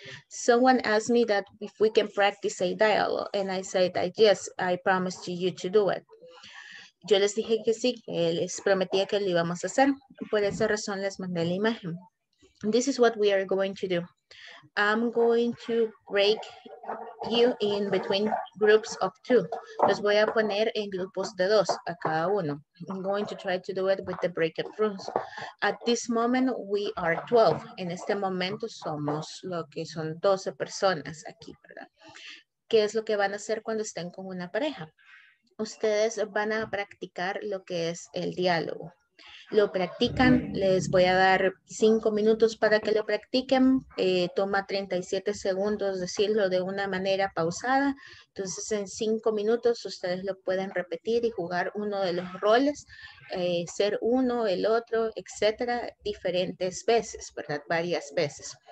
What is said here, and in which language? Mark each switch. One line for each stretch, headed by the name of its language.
English: Someone asked me that if we can practice a dialogue, and I said that yes, I promised you to do it.
Spanish: Yo les dije que sí, les prometía que lo íbamos a hacer. Por esa razón les mandé la imagen.
English: This is what we are going to do. I'm going to break you in between groups of two.
Spanish: Los voy a poner en grupos de dos a cada uno.
English: I'm going to try to do it with the breakout rooms. At this moment, we are 12.
Spanish: En este momento somos lo que son 12 personas aquí, ¿verdad? ¿Qué es lo que van a hacer cuando estén con una pareja? Ustedes van a practicar lo que es el diálogo. Lo practican, les voy a dar 5 minutos para que lo practiquen, toma 37 segundos decirlo de una manera pausada, entonces en 5 minutos ustedes lo pueden repetir y jugar uno de los roles, ser uno, el otro, etcétera, diferentes veces, ¿verdad? Varias veces.